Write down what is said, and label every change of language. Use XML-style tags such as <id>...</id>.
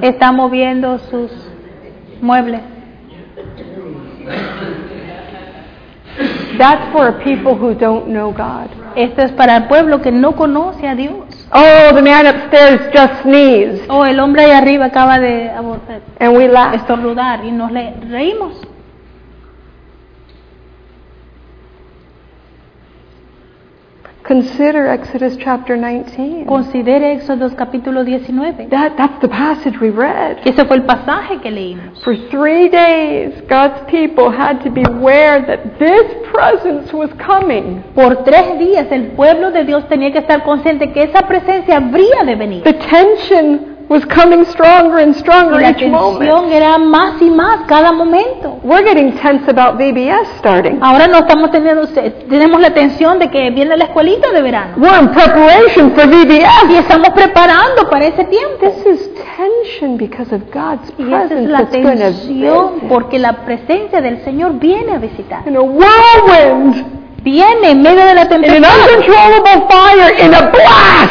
<es>Está moviendo sus muebles.</es> <en>That's for a people who don't know God.</en> <es>Esto es para el pueblo que no conoce a Dios.</es> <en>Oh, the man upstairs just sneezed.</en> <es>Oh, el hombre allá arriba acaba de</es> <en>and we laugh.</en> <es>Estornudar y nos reímos.</es> <en>Consider Exodus chapter 19.</en> <es>Considere Éxodo capítulo 19.</es> <en>That's the passage we read.</en> <es>Ese fue el pasaje que leímos.</es> <en>For 3 days, God's people had to beware that this presence was coming.</en> <es>Por 3 días, el pueblo de Dios tenía que estar consciente que esa presencia habría de venir.</es> <en>The tension was coming stronger and stronger each moment.</en> <es>La tensión era más y más cada momento.</es> <en>We're getting tense about VBS starting.</en> <es>Ahora no estamos teniendo, tenemos la tensión de que viene la escuelita de verano.</es> <en>We're in preparation for VBS.</en> <es>Y estamos preparando para ese tiempo.</es> <en>This is tension because of God's presence.</en> <es>Y esa es la tensión porque la presencia del Señor viene a visitar.</es> <en>In a whirlwind.</en> <es>Viene en medio de la tempestad.</es> <en>In an uncontrollable fire, in a blast.</en>